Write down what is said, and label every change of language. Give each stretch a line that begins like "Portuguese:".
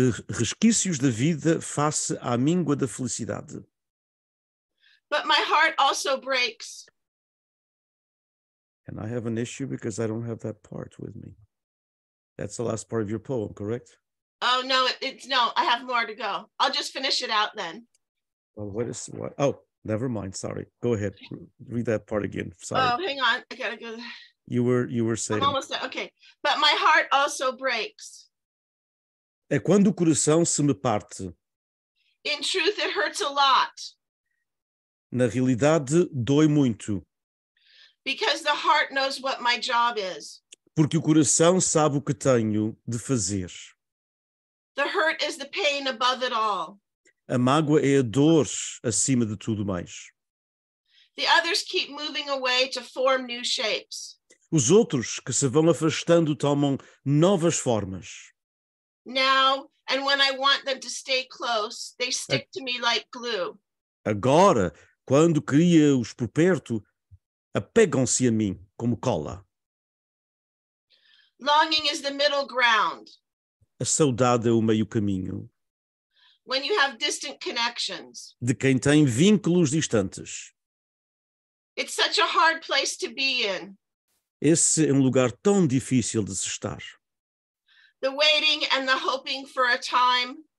Portuguese: Resquícios da vida face à míngua da felicidade.
English: But my heart also breaks. And I have an issue because I don't have that part with me. That's the last part of your poem, correct? Oh, no, no, I have more to go. I'll just finish it out then. Well, oh, never mind, sorry. Go ahead, read that part again. Sorry. Oh, hang on, I gotta go. You were saying. I'm almost there, okay. But my heart also breaks.
Portuguese: É quando o coração se me parte.
English: In truth, it hurts a lot.
Portuguese: Na realidade, dói muito.
English: Because the heart knows what my job is.
Portuguese: Porque o coração sabe o que tenho de fazer.
English: The hurt is the pain above it all.
Portuguese: A mágoa é a dor acima de tudo mais.
English: The others keep moving away to form new shapes.
Portuguese: Os outros que se vão afastando tomam novas formas.
English: Now, and when I want them to stay close, they stick to me like glue.
Portuguese: Agora, quando queria-os por perto, apegam-se a mim como cola.
English: Longing is the middle ground.
Portuguese: A saudade é o meio caminho.
English: When you have distant connections.
Portuguese: De quem tem vínculos distantes.
English: It's such a hard place to be in.
Portuguese: Esse é um lugar tão difícil de se estar.
English: The waiting and the hoping for a time.